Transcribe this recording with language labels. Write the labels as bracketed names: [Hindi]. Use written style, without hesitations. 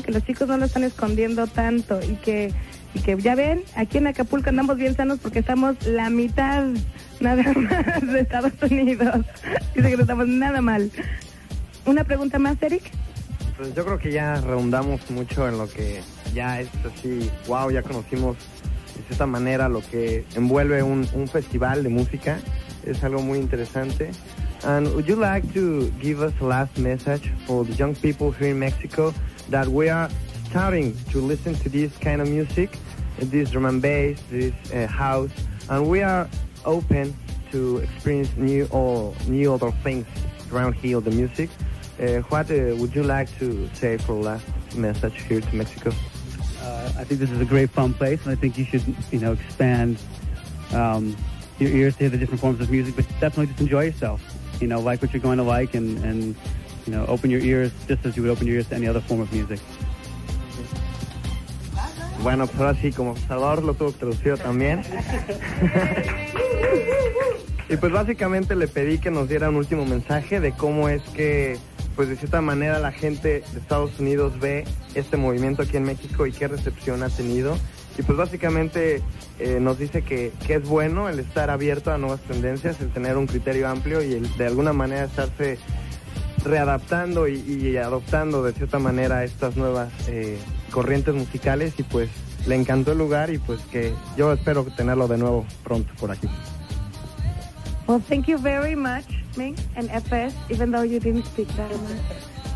[Spanish] Que los chicos no lo están escondiendo tanto y que ya ven, aquí en Acapulco andamos bien sanos porque estamos la mitad nada más de Estados Unidos. Dice que no estamos nada mal. ¿Una pregunta más, Eric? Pues yo creo que ya redundamos mucho en lo que ya es así, wow, ya conocimos de cierta manera lo que envuelve un festival de música. Es algo muy interesante. [English] And would you like to give us a last message for the young people here in Mexico that we are starting to listen to this kind of music, this drum and bass, this house, and we are open to experience new other things around here, the music. What would you like to say for the last message here to Mexico? I think this is a great fun place, and I think you should, you know, expand your ears to hear the different forms of music, but definitely just enjoy yourself, you know, like what you're going to like, and you know, open your ears just as you would open your ears to any other form of music. [Spanish] Bueno, pues ahora sí, como Salvador lo tuvo traducido también. Y pues básicamente le pedí que nos diera un último mensaje de cómo es que, pues de cierta manera, la gente de Estados Unidos ve este movimiento aquí en México y qué recepción ha tenido. Y pues básicamente nos dice que es bueno el estar abierto a nuevas tendencias, el tener un criterio amplio y el de alguna manera estarse readaptando y adoptando de cierta manera estas nuevas corrientes musicales, y pues le encantó el lugar y pues que yo espero tenerlo de nuevo pronto por aquí. [English] Well, thank you very much, Ming and FS, even though you didn't speak that much.